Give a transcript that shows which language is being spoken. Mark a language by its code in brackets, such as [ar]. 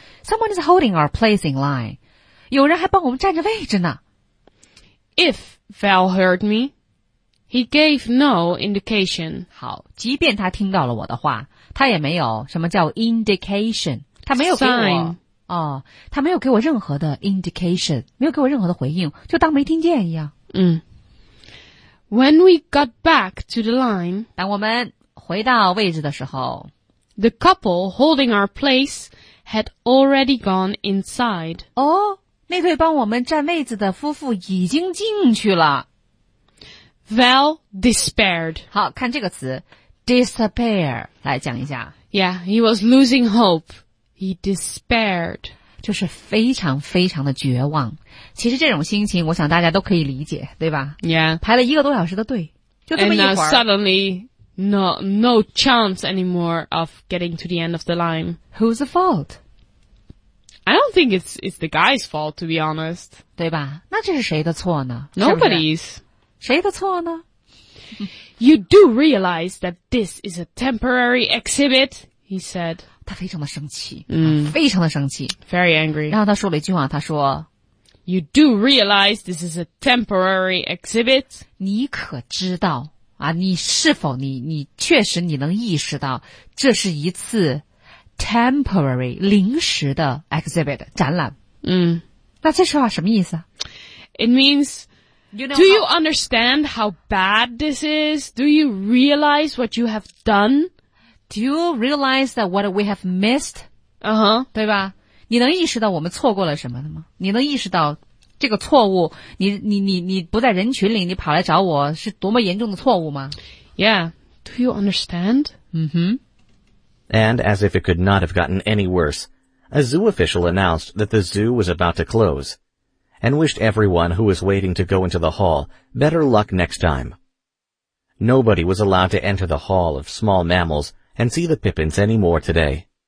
[en] Someone is holding our place in line. [zh] 有人还帮我们占着位置呢。 [en] If Val heard me, he gave no indication. [zh] 好,即便他听到了我的话,他也没有什么叫 indication. 他没有给我、 [en] Sign. [zh] 哦,他没有给我任何的 indication, 没有给我任何的回应,就当没听见一样。嗯。 [en] When we got back to the line, [zh] 当我们回到位置的时候 [en] the couple holding our place had already gone inside. [zh] 哦，那对帮我们占位子的夫妇已经进去了。 [en] Val despaired. [zh] 好，看这个词 ,disappear, 来讲一下。 [en] Yeah, he was losing hope. He despaired. [zh] 就是非常非常的绝望。其实这种心情我想大家都可以理解对吧 [en] Yeah. [zh] 排了一个多小时的队就这么一会儿。 [en] And suddenly, no chance anymore of getting to the end of the line. Who's the fault? I don't think it's the guy's fault, to be honest. [zh] 对吧那这是谁的错呢 [en] Nobody's. [zh] 谁的错呢 [en] You do realize that this is a temporary exhibit, he said. [zh] 他非常的生气、嗯、非常的生气。 [en] Very angry. [zh] 然后他说了一句话他说 [en] You do realize this is a temporary exhibit? [zh] 你可知道啊你是否你确实你能意识到这是一次 temporary, 临时的 exhibit, 展览。嗯。那这句话什么意思啊 [en] ?It means, you know, do you understand how bad this is? Do you realize what you have done? Do you realize that what we have missed? Uh-huh. [zh] 对吧你能意识到我们错过了什么的吗你能意识到这个错误你不在人群里你跑来找我是多么严重的错误吗 [en] Yeah, do you understand? Mm-hmm. And as if it could not have gotten any worse, a zoo official announced that the zoo was about to close and wished everyone who was waiting to go into the hall better luck next time. Nobody was allowed to enter the hall of small mammals and see the pippins anymore today.